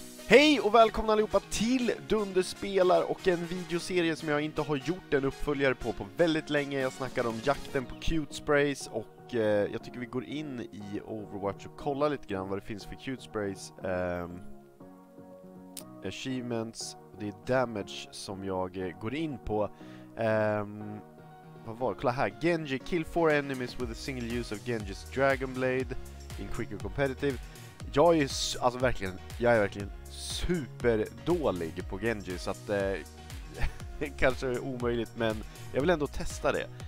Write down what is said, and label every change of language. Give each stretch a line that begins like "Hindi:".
Swedish: Hej och välkomna allihopa till Dunderspelar och en videoserie som jag inte har gjort en uppföljare på väldigt länge. Jag snackar om jakten på cute sprays och jag tycker vi går in i Overwatch och kollar lite grann vad det finns för cute sprays. Achievements, det är damage som jag går in på. Vad var det? Kolla här.
English: Genji, kill 4 enemies with a single use of Genji's Dragon Blade in quick and competitive.
Swedish: Jag är verkligen superdålig på Genji, så att kanske är omöjligt, men jag vill ändå testa det.